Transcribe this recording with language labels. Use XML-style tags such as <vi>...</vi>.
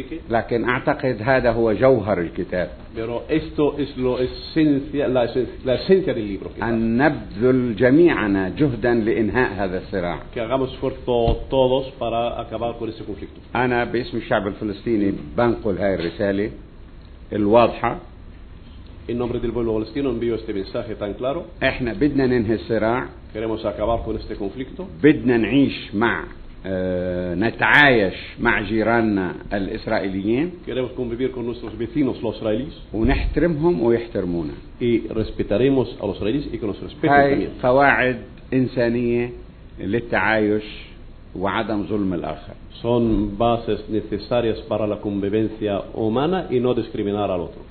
<ar>لكن أعتقد هذا هو جوهر الكتاب.</ar> <es>Pero esto es lo esencia, la esencia del libro.</es> <ar>أن نبذل جميعنا جهدا لإنهاء هذا الصراع.</ar> <es>Que hagamos esfuerzo todos para acabar con este conflicto.</es> <ar>أنا باسم الشعب الفلسطيني بنقل هاي الرسالة الواضحة.</ar> <es>En nombre del pueblo palestino envío este mensaje tan claro.</es> <ar>احنا بدنا ننهي الصراع.</ar> <es>Queremos acabar con este conflicto.</es> <ar>بدنا نعيش مع نتعايش مع جيراننا الإسرائيليين.</ar> <es>Queremos convivir con nuestros vecinos los israelíes.</es> <ar>ونحترمهم ويحترمونا.</ar> <es>Y respetaremos a los israelíes y que nos respeten también.</es> <ar>هاي قواعد إنسانية للتعايش وعدم ظلم الآخر.</ar> <es>Son bases necesarias para la convivencia humana y no discriminar al otro.</es>